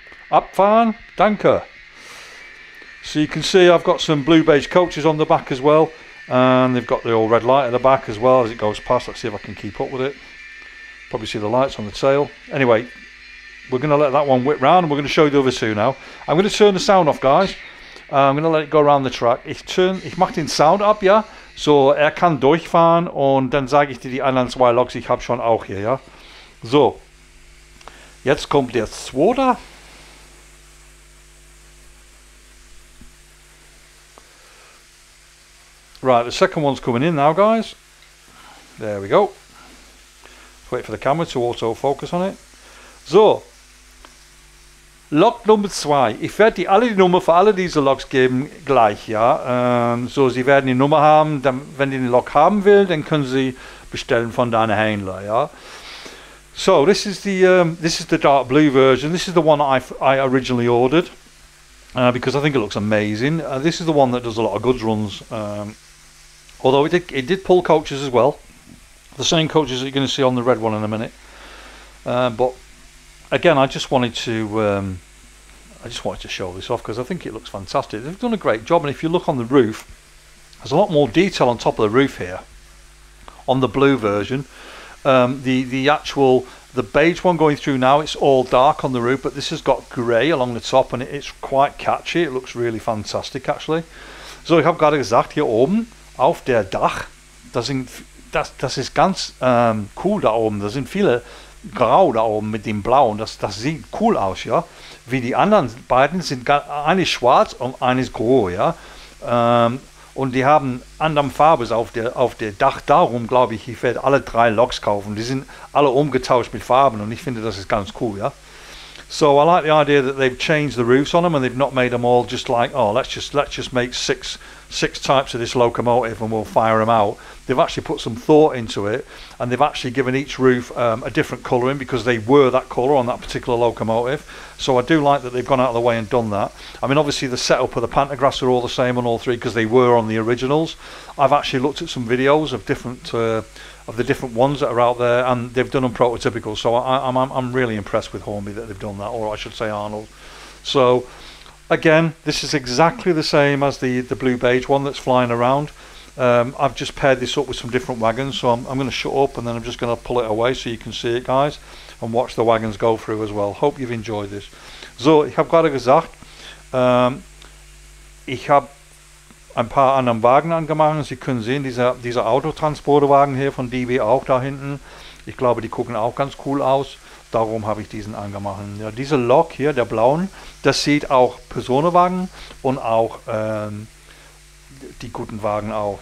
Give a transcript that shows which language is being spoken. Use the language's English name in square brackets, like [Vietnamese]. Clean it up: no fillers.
[German] Abfahren, danke. [English] So you can see I've got some blue beige coaches on the back as well. And they've got the old red light at the back as well as it goes past. Let's see if I can keep up with it. Probably see the lights on the tail. Anyway, we're going to let that one whip round and we're going to show you the other two now. I'm going to turn the sound off, guys. I'm going to let it go around the track. [German] Ich mache den Sound ab, ja? So kann durchfahren und dann sage ich dir die anderen zwei Loks, ich habe schon auch hier, ja? So, jetzt kommt der zweite. [English] Right, the second one's coming in now, guys. There we go. Let's wait for the camera to auto-focus on it. [German] So, Lok number 2. Ich werde dir alle die Nummer für alle diese Loks geben gleich, ja. So, sie werden die Nummer haben. Dann, wenn die den Lok haben will, dann können sie bestellen von deinem Händler, ja. [English] So, this is the dark blue version. This is the one I originally ordered because I think it looks amazing. This is the one that does a lot of goods runs. Although it did pull coaches as well, the same coaches that you're going to see on the red one in a minute. But again, I just wanted to show this off because I think it looks fantastic. They've done a great job, and if you look on the roof, there's a lot more detail on top of the roof here on the blue version. The beige one going through now, it's all dark on the roof, but this has got grey along the top, and it's quite catchy. It looks really fantastic, actually. [German] So ich habe gerade gesagt hier oben. Auf der Dach, das ist ganz cool da oben. Da sind viele Grau da oben mit dem Blau und das sieht cool aus, ja. Wie die anderen beiden sind, eines schwarz und eines grau, ja. Und die haben andere Farben auf der Dach. Darum glaube ich, ich werde alle drei Loks kaufen. Die sind alle umgetauscht mit Farben und ich finde, das ist ganz cool, ja. [English] So I like the idea that they've changed the roofs on them and they've not made them all just like, oh, let's just make six types of this locomotive and we'll fire them out. They've actually put some thought into it and they've actually given each roof a different colouring because they were that colour on that particular locomotive. So I do like that they've gone out of the way and done that. I mean, obviously the setup of the pantographs are all the same on all three because they were on the originals. I've actually looked at some videos of different ones that are out there and they've done them prototypical. So I'm really impressed with Hornby that they've done that, or I should say Arnold. So again, this is exactly the same as the blue beige one that's flying around. I've just paired this up with some different wagons, so I'm going to shut up and then I'm just going to pull it away so you can see it, guys, and watch the wagons go through as well. Hope you've enjoyed this. [German] So ich habe gerade gesagt, ich habe ein paar anderen Wagen angemacht. Sie können sehen, dieser Autotransporterwagen hier von DB auch da hinten. Ich glaube, die gucken auch ganz cool aus. Darum habe ich diesen angemacht. Ja, dieser Lok hier, der blauen, das sieht auch Personenwagen und auch die guten Wagen auch.